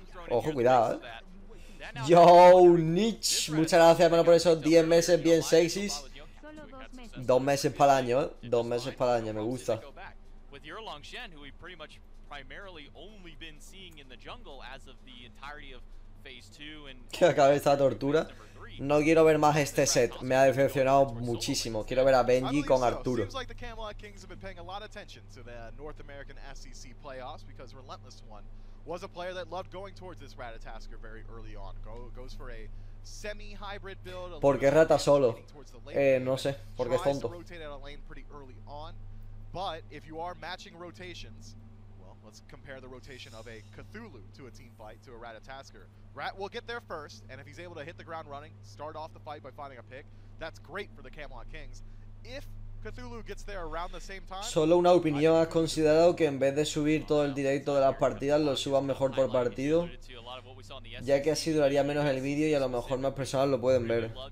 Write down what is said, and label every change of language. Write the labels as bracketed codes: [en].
[es] Ojo, cuidado, Yo, Nietzsche, muchas gracias, hermano, por esos 10 meses bien sexys. 2 meses para el año, ¿eh? 2 meses para el año, me gusta. [en] With your Long Shen, who we've pretty much primarily only been seeing in the jungle as of the entirety of phase 2 and. [es] Que acabe esta tortura. No quiero ver más este set, me ha decepcionado muchísimo. Quiero ver a Benji con Arturo. [en] Seems like the Camelot Kings have been paying a lot of attention to the North American SEC playoffs because Relentless One was a player that loved going towards this Ratatasker very early on. Goes for a semi-hybrid build. [es] ¿Por qué rata solo? No sé, porque es tonto. [en] Rotate out a lane pretty early on, but if you are matching rotations, well, let's compare the rotation of a Cthulhu to a team fight to a Ratatasker. Rat will get there first, and if he's able to hit the ground running, start off the fight by finding a pick, that's great for the Camelot Kings. If Cthulhu gets there around the same time. [es] Solo una opinión, ¿has considerado que en vez de subir todo el directo de las partidas lo subas mejor por partido? Ya que así duraría menos el vídeo y a lo mejor más personas lo pueden ver.